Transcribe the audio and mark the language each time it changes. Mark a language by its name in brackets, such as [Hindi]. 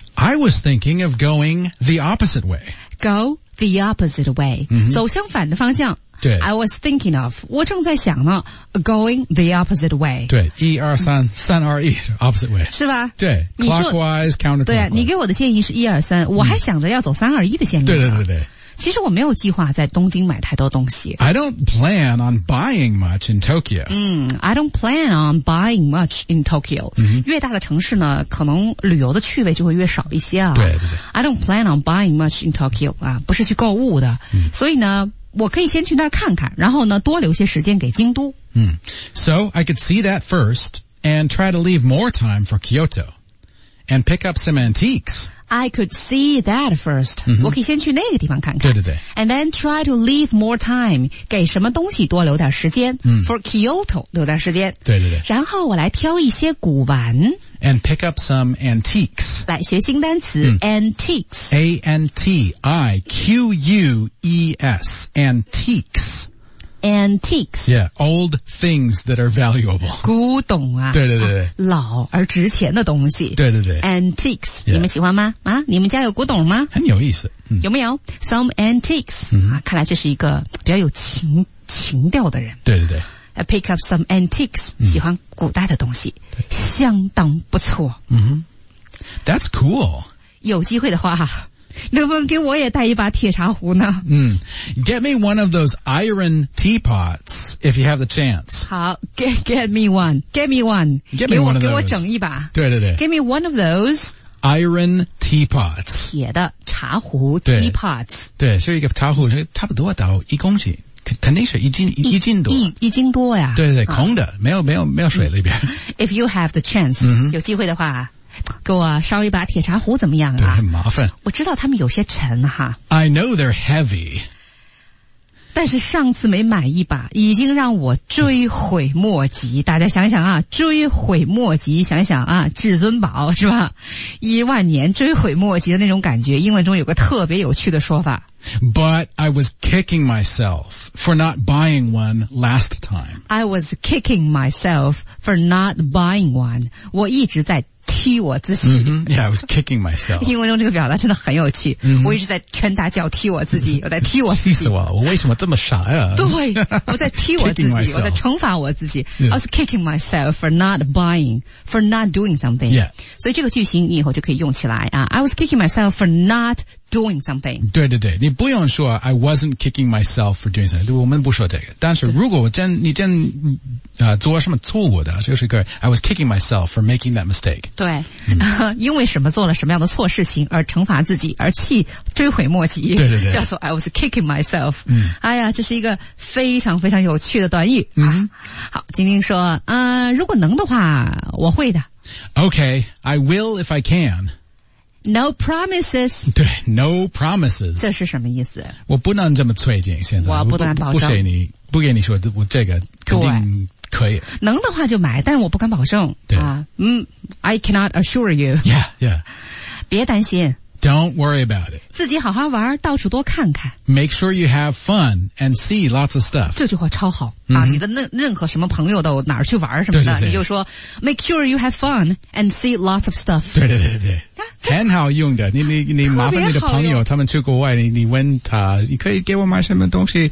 [English] I was thinking of going the opposite way. Go the opposite way.、 Mm-hmm. [Chinese] 走相反的方向。对。 [English] I was thinking of, [Chinese] 我正在想呢 [English] going the opposite way. [Chinese] 对。一二三三二一 [English] opposite way. [Chinese] 是吧对。 [English] clockwise, counterclockwise. [Chinese] 对你给我的建议是一二三我还想着要走三二一的线路。对对对对。其实我没有计划在东京买太多东西。 [English] I don't plan on buying much in Tokyo. I don't plan on buying much in Tokyo.、 Mm-hmm. [Chinese] 越大的城市呢可能旅游的趣味就会越少一些啊。对对对。 [English] I don't plan on buying much in Tokyo, [Chinese] 啊不是去购物的。所以呢我可以先去那儿看看然后呢多留些时间给京都。 [English] So, I could see that first and try to leave more time for Kyoto and pick up some antiques. I could see that first.、 Mm-hmm. [Chinese] 我可以先去那个地方看看。对对对。 [English] And then try to leave more time. [Chinese] 给什么东西多留点时间、 mm. ? [English] For Kyoto, [Chinese] 留点时间。对对对。然后我来挑一些古玩。 [English] And pick up some antiques. [Chinese] 来学新单词、antiques。 [English] A-N-T-I-Q-U-E-S. Antiques. Antiques. Yeah, old things that are valuable. [Chinese] 古董啊。对对对对。老而值钱的东西。对对对。 [English] Antiques.、Yeah. [Chinese] 你们喜欢吗啊你们家有古董吗很有意思。有没有 ? [English] Some antiques.、 [Chinese] 看来这是一个比较有情调的人。对对对。 [English] Pick up some antiques.、 [Chinese] 喜欢古代的东西。相当不错。 [English] That's cool. [Chinese] 有机会的话。能不能给我也带一把铁茶壶呢、 [English] Get me one of those iron teapots if you have the chance. 好 get me one. Get me one. Get me one of those. [Chinese] 给我整一把。对对对。 [English] Get me one of those. Iron teapots. [Chinese] 铁的茶壶 teapots. 对是一个茶壶差不多到一公斤。肯定是一斤多。一斤多呀。对对对空的、没有水里边。 [English] If you have the chance,、 [Chinese] 有机会的话。给我烧一把铁茶壶怎么样啊对很麻烦我知道他们有些沉哈 [English] I know they're heavy [Chinese] 但是上次没满意吧，已经让我追悔莫及。大家想想啊，追悔莫及，想想啊，至尊宝是吧，一万年追悔莫及的那种感觉。英文中有个特别有趣的说法， [English] But I was kicking myself for not buying one last time. I was kicking myself for not buying one. [Chinese] 我一直在踢我自己。 [English] Mm-hmm. Yeah, I was kicking myself. [Chinese] 英文中这个表达真的很有趣。 Mm-hmm. 我一直在拳打脚踢我自己，我在踢我自己。气死我了，我为什么这么傻呀？对，我在踢我自己，我在惩罚我自己。 [English] Yeah. I was kicking myself for not buying, for not doing something. Yeah. [Chinese] 所以这个句型你以后就可以用起来啊。 [English] I was kicking myself for not doing something. [Chinese] 对对对，你不用说 [English] I wasn't kicking myself for doing something. [Chinese] 我们不说这个。但是如果我真你真做什么错误的，就是个 [English] I was kicking myself for making that mistake. [Chinese] 对、因为什么做了什么样的错事情而惩罚自己而气追悔莫及。对对对。叫做 [English] I was kicking myself.、 [Chinese] 哎呀，这是一个非常非常有趣的短语。好，晶晶说如果能的话我会的。 [English] Okay, I will if I can. No promises. 对 ,no promises. [Chinese] 这是什么意思？我不能这么脆劲现在。我不敢保证。不给你说我这个肯定可以。能的话就买，但我不敢保证。对。 [English] I cannot assure you. Yeah, yeah. [Chinese] 别担心。 [English] Don't worry about it. [Chinese] 自己好好玩，到处多看看。 [English] Make sure you have fun and see lots of stuff. [Chinese] 这句话超好。你的任何什么朋友都哪儿去玩什么的。对对对，你就说 [English] Make sure you have fun and see lots of stuff. [Chinese] 对对对对。很好用的，你麻烦你的朋友他们去国外，你问他你可以给我买什么东西，